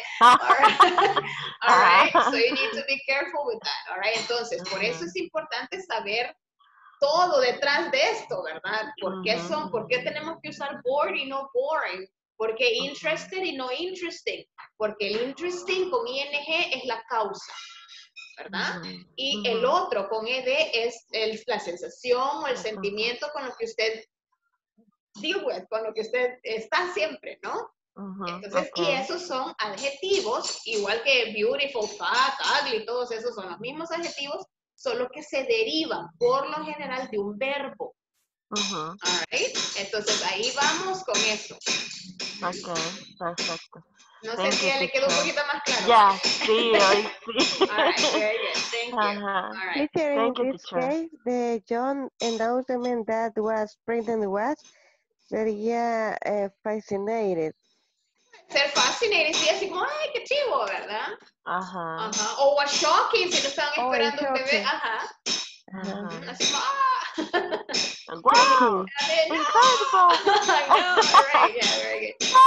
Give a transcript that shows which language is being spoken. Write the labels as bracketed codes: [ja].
[en] All right, so you need to be careful with that. [es] All right, entonces, por eso es importante saber todo detrás de esto, ¿verdad? ¿Por qué son, por qué tenemos que usar bored y no boring? ¿Por qué interested y no interesting? Porque el interesting con ing es la causa, ¿verdad? Y el otro con ed es el, la sensación o el sentimiento con lo que usted [en] deal with, [es] con lo que usted está siempre, ¿no? Entonces, y esos son adjetivos, igual que beautiful, fat, ugly, todos esos son los mismos adjetivos, solo que se derivan por lo general de un verbo. Alright, entonces ahí vamos con eso. Ok, perfecto. No sé si ya le quedó un poquito más claro. Ya, sí, hoy sí. [en] Alright, thank you. Teacher, in this case, the John announcement that was printed was sería fascinated. [es] Ser fascinated, sí, así como, ay, qué chivo, ¿verdad? Ajá. O [en] was shocking, [es] si lo estaban esperando un bebé. Así como, ¡ah! [en] Wow! Incredible! I know. All right. Yeah. Very good.